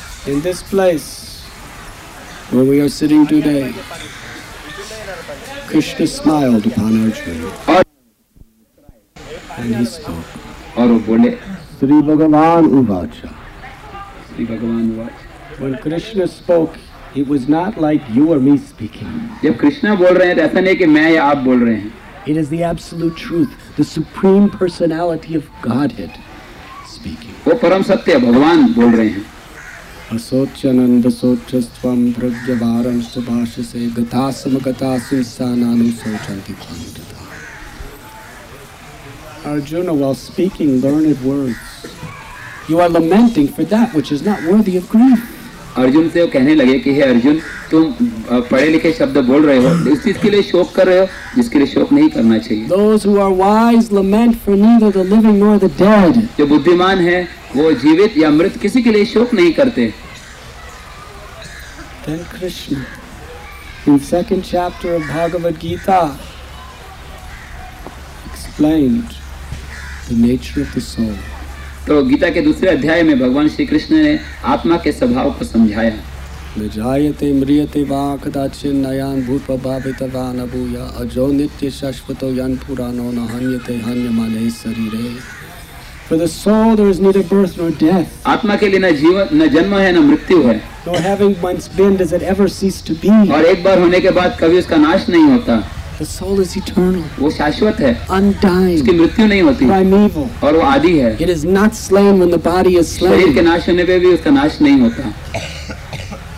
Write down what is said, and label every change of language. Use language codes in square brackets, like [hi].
[en] In this place where we are sitting today, Krishna smiled upon Arjuna. And he spoke. [hi] और वो बोले, [sa] Sri Bhagavan Uvacha. Sri Bhagavan Uvacha. [en] When Krishna spoke, it was not like you or me speaking. [hi] जब कृष्णा बोल रहे हैं तो ऐसा नहीं कि मैं या आप बोल रहे हैं. [en] It is the absolute truth, the supreme personality of Godhead speaking. [hi] वो परम सत्य भगवान बोल रहे हैं. [sa] असोचनंद सोचस्त्वं प्रज्ञवारं सुभाषसे गतासमगतासु सानानु सोचन्ति पण्डिता. [en] Arjuna, while speaking learned words, you are lamenting for that which is not worthy of grief. [hi] Arjun से वो कहने लगे कि हे अर्जुन, तुम पढ़े लिखे शब्द बोल रहे हो, इस चीज के लिए शोक कर रहे हो जिसके लिए शोक नहीं करना चाहिए. [en] Those who are wise lament for neither the living nor the dead. [hi] जो बुद्धिमान है वो जीवित या मृत किसी के लिए शोक नहीं करते. [en] Then Krishna, in second chapter of Bhagavad Gita, explained the nature of the soul. [hi] तो गीता के दूसरे अध्याय में भगवान श्री कृष्ण ने आत्मा के स्वभाव को समझाया. [sa] विजायते म्रियते वा कदाचिन नयान भूप भावितवान अभूया अजो नित्य शाश्वतो यन पुराणो न हन्यते हन्यमाने शरीरे. [en] For the soul, there is neither birth nor death. [hi] आत्मा के लिए न जीवन न जन्म है न मृत्यु है. [en] So having once been, does it ever cease to be? [hi] और एक बार होने के बाद कभी उसका नाश नहीं होता. [en] The soul is eternal. [hi] वो शाश्वत है. [en] Undying. [hi] उसकी मृत्यु नहीं होती. [en] Primeval. [hi] और वो आदि है. [en] It is not slain when the body is slain. [hi] शरीर के नाश होने पे भी उसका नाश नहीं होता.